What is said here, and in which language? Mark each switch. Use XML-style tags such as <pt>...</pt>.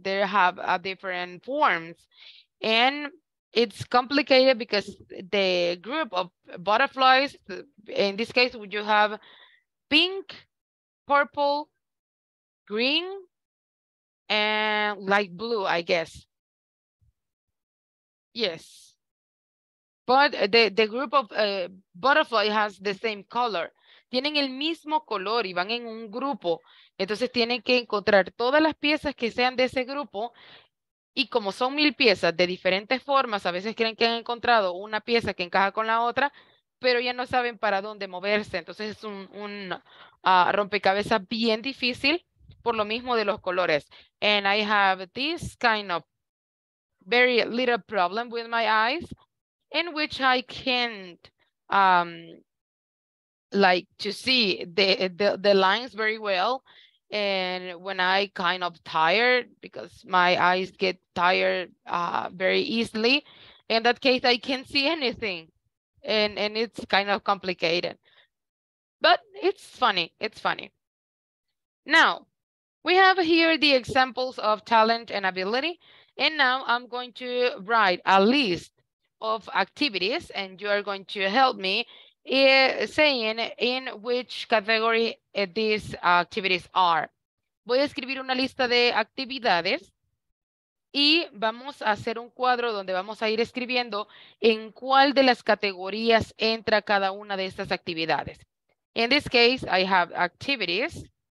<en>They have a different forms and it's complicated because the group of butterflies, in this case, would you have pink, purple, green, and light blue, I guess. Yes. But the group of butterflies has the same color.</en> <es>Tienen el mismo color y van en un grupo. Entonces tienen que encontrar todas las piezas que sean de ese grupo Y como son mil piezas de diferentes formas, a veces creen que han encontrado una pieza que encaja con la otra, pero ya no saben para dónde moverse. Entonces es un rompecabezas bien difícil por lo mismo de los colores.</es> <en>And I have this kind of very little problem with my eyes, in which I can't like to see the lines very well. And when I kind of tired, because my eyes get tired very easily, in that case, I can't see anything. And it's kind of complicated. But it's funny. It's funny. Now, we have here the examples of talent and ability. And now I'm going to write a list of activities, and you are going to help me saying in which category these activities are.</en> <es>Voy a escribir una lista de actividades y vamos a hacer un cuadro donde vamos a ir escribiendo en cuál de las categorías entra cada una de estas actividades.</es> <en>In this case, I have activities.</en>